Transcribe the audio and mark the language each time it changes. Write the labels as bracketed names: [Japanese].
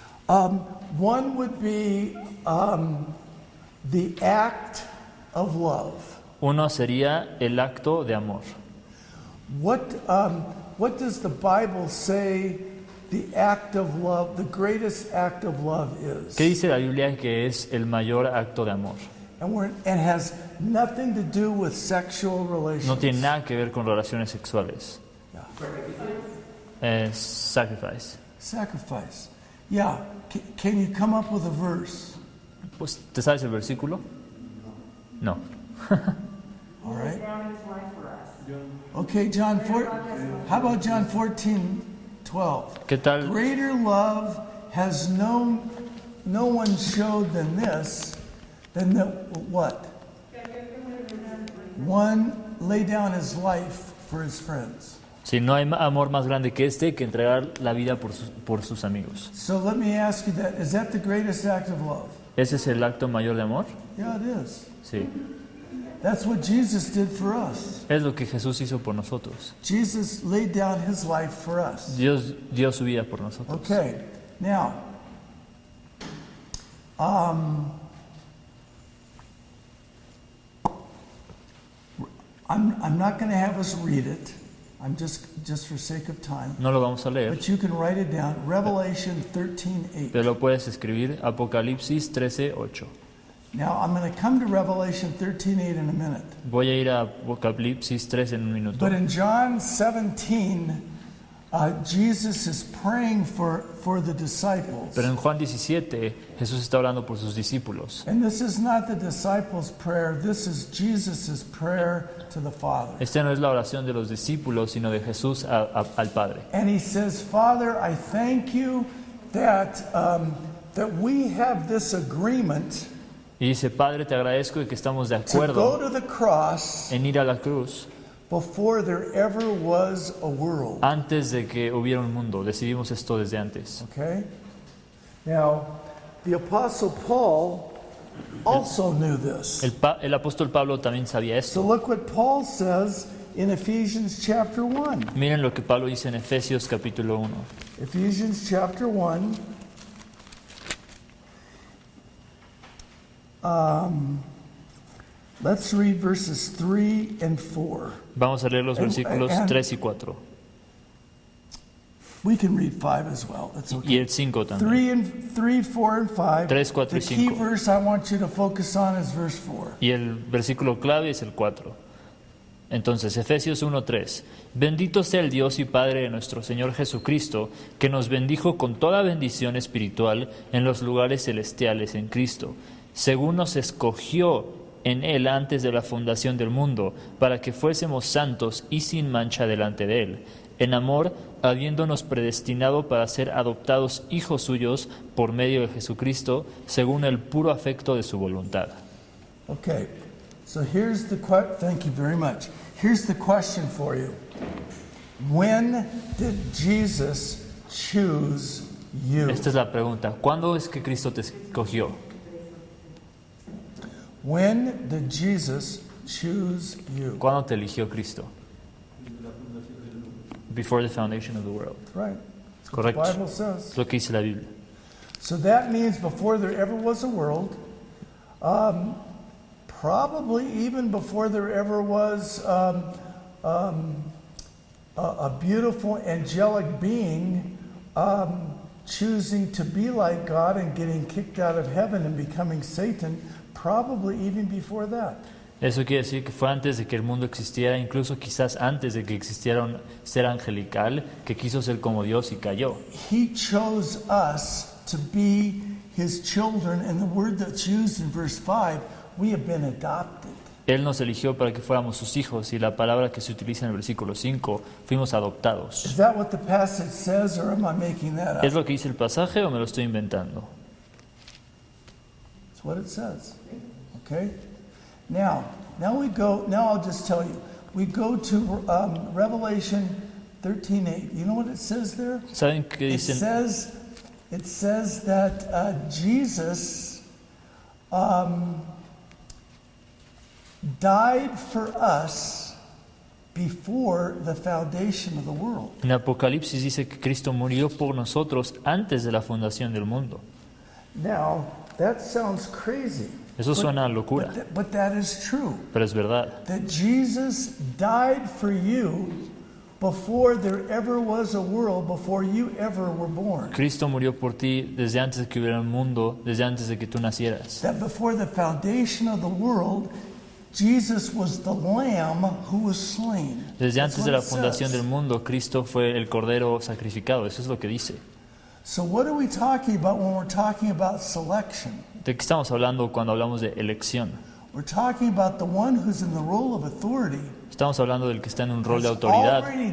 [English] One would be the act of love. [Spanish] Uno sería el acto de amor. [English] What does the Bible say the act of love, the greatest act of love is? [Spanish] ¿Qué dice la Biblia que es el mayor acto de amor? [English] And has nothing to do with sexual relations. [Spanish] No tiene nada que ver con relaciones sexuales. [English] Yeah. Sacrifice. Sacrifice. Yeah. Can you come up with a verse? [Spanish] Pues, ¿te sabes el versículo? [English] No. All right. Okay, John 4. How about John 14, 12? [Spanish] ¿Qué tal? [English] Greater love has no one showed than this. Then that what? One lay down his life for his friends. [Spanish] Sí, no hay amor más grande que este, que entregar la vida por sus amigos. [English] So let me ask you that. Is that the greatest act of love? [Spanish] ¿Ese es el acto mayor de amor? [English] Yeah, it is. [Spanish] Sí. [English] That's what Jesus did for us. [Spanish] Es lo que Jesús hizo por nosotros. [English] Jesus laid down his life for us. [Spanish] Dios dio su vida por nosotros. [English] Okay, now. I'm not going to have us read it. I'm just for sake of time. [Spanish] No lo vamos a leer. [English] But you can write it down. Revelation 13:8. [Spanish] Pero lo puedes escribir. Apocalipsis 13:8. [English] Now I'm going to come to Revelation 13:8 in a minute. [Spanish] Voy a ir a Apocalipsis 13 en un minuto. [English] But in John 17, Jesus is praying for the disciples. [Spanish] Pero en Juan 17, Jesús está orando por sus discípulos. [English] And this is not the disciples' prayer. This is Jesus' prayer to the Father. [Spanish] Esta no es la oración de los discípulos, sino de Jesús al Padre. [English] And he says, Father, I thank you that we have this agreement. [Spanish] Y dice, Padre, te agradezco que estamos de acuerdo [English] to go to the cross [Spanish] en ir a la cruz. [English] Before there ever was a world. [Spanish] Antes de que hubiera un mundo, decidimos esto desde antes. [English] Okay. Now, the Apostle Paul also knew this. [Spanish] El apóstol Pablo también sabía esto. [English] So look what Paul says in Ephesians chapter 1. [Spanish] Miren lo que Pablo dice en Efesios capítulo 1. [English] Ephesians chapter 1. Let's read verses 3 and 4. [Spanish] Vamos a leer los versículos 3 y 4. [English] We can read 5 as well. That's okay. [Spanish] Y el 5 también. [English] 3, 4, and 5. [Spanish] 3, 4 y 5. [English] The key verse I want you to focus on is verse 4. [Spanish] Y el versículo clave es el 4. Entonces, Efesios 1, 3. Bendito sea el Dios y Padre de nuestro Señor Jesucristo, que nos bendijo con toda bendición espiritual en los lugares celestiales en Cristo, según nos escogió en Él antes de la fundación del mundo, para que fuésemos santos y sin mancha delante de Él, en amor, habiéndonos predestinado para ser adoptados hijos suyos por medio de Jesucristo, según el puro afecto de su voluntad. [English] Okay, so here's the thank you very much. Here's the question for you. When did Jesus choose you? [Spanish] Esta es la pregunta. ¿Cuándo es que Cristo te escogió? [English] When did Jesus choose you? [Spanish] ¿Cuándo te eligió Cristo? [English] Before the foundation of the world. Right. [Spanish] Es correcto. [English] The Bible says. [Spanish] Lo que dice la Biblia. [English] So that means before there ever was a world, probably even before there ever was a beautiful angelic being choosing to be like God and getting kicked out of heaven and becoming Satan. Probably even before that. [Spanish] Eso quiere decir que fue antes de que el mundo existiera, incluso quizás antes de que existiera un ser angelical que quiso ser como Dios y cayó. [English] He chose us to be his children, and the word that's used in verse 5, we have been adopted. [Spanish] Él nos eligió para que fuéramos sus hijos, y la palabra que se utiliza en el versículo 5, fuimos adoptados. [English] Is that what the passage says, or am I making that up? [Spanish] ¿Es lo que dice el pasaje o me lo estoy inventando? [English] What it says. Okay? Now we go, now I'll just tell you. We go to Revelation 13:8. You know what it says there? [Spanish] ¿Saben qué dice? [English] It says that Jesus died for us before the foundation of the world. [Spanish] En Apocalipsis dice que Cristo murió por nosotros antes de la fundación del mundo. [English] Now, that sounds crazy. [Spanish] Eso suena a locura. [English] But that is true. [Spanish] Pero es verdad. [English] That Jesus died for you before there ever was a world, before you ever were born. [Spanish] Cristo murió por ti desde antes de que hubiera un mundo, desde antes de que tú nacieras. [English] That before the foundation of the world, Jesus was the Lamb who was slain. [Spanish] Desde antes de la fundación del mundo, Cristo fue el cordero sacrificado. Eso es lo que dice. [English] So what are we talking about when we're talking about selection? [Spanish] ¿De qué estamos hablando cuando hablamos de elección? [English] We're talking about the one who's in the role of authority. [Spanish] Estamos hablando del que está en un rol de autoridad.